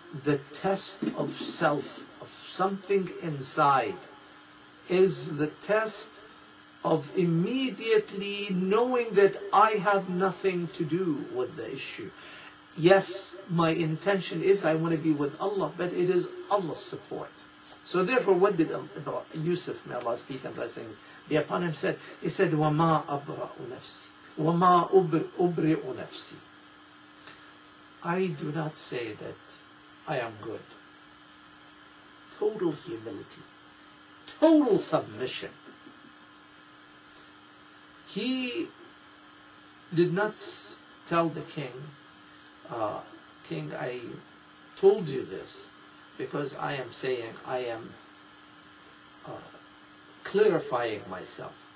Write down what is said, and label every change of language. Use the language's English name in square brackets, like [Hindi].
[English] The test of self, of something inside, is the test of immediately knowing that I have nothing to do with the issue. Yes, my intention is I want to be with Allah, but it is Allah's support. So therefore, what did Yusuf, may Allah's peace and blessings be upon him, said? He said, [Arabic] وَمَا أَبْرَأُ نَفْسِي وَمَا أُبْرِئُ نَفْسِي. [English] I do not say that I am good. Total humility. Total submission. He did not tell the king, King, I told you this because I am saying, I am clarifying myself.